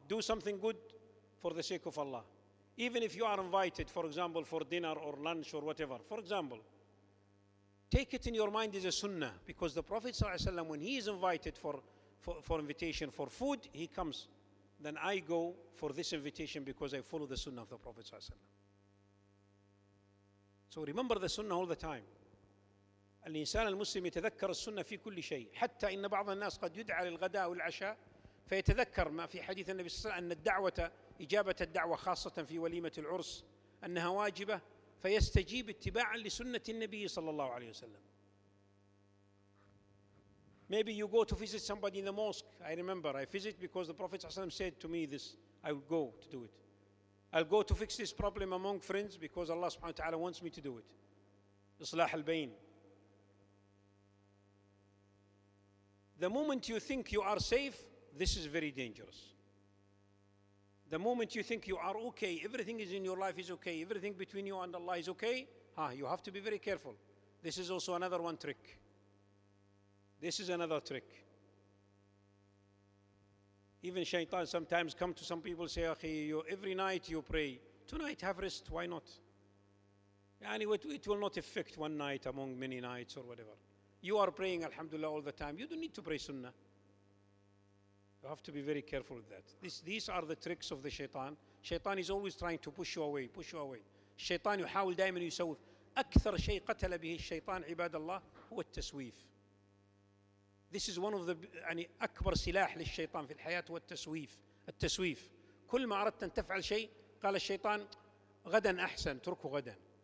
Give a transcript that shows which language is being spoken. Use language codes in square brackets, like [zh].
[en] Do something good for the sake of Allah. Even if you are invited, for example, for dinner or lunch or whatever, for example, take it in your mind as a sunnah, because the Prophet ﷺ, when he is invited for invitation for food, he comes. Then I go for this invitation because I follow the sunnah of the Prophet ﷺ. So remember the sunnah all the time. [ar] الإنسان المسلم يتذكر السنة في كل شيء حتى إن بعض الناس قد يدعى للغداء والعشاء فيتذكر ما في حديث النبي صلى الله عليه وسلم أن الدعوة إجابة الدعوة خاصة في وليمة العرس أنها واجبة فيستجيب اتباعا لسنة النبي صلى الله عليه وسلم. [en] Maybe you go to visit somebody in the mosque. I remember I visit because the Prophet ﷺ said to me this. I will go to do it. I'll go to fix this problem among friends because Allah subhanahu wa ta'ala wants me to do it. [ar] إصلاح البين. [en] The moment you think you are safe, this is very dangerous. The moment you think you are okay, everything is in your life is okay, everything between you and Allah is okay, you have to be very careful. This is also another one trick. This is another trick. Even shaitan sometimes come to some people say, "Akhi, you, every night you pray. Tonight have rest, why not? Anyway, it will not affect one night among many nights or whatever. You are praying, alhamdulillah, all the time. You don't need to pray sunnah." You have to be very careful with that. These are the tricks of the shaitan. Shaitan is always trying to push you away, push you away. [ar] Shaitan يحاول دائما يسوف. أكثر شيء قتل به الشيطان عباد الله هو التسويف. [en] This is one of the [ar] يعني أكبر سلاح للشيطان في الحياة هو التسويف. التسويف. كل ما أردت أن تفعل شيء قال الشيطان غدا أحسن تركه غدا.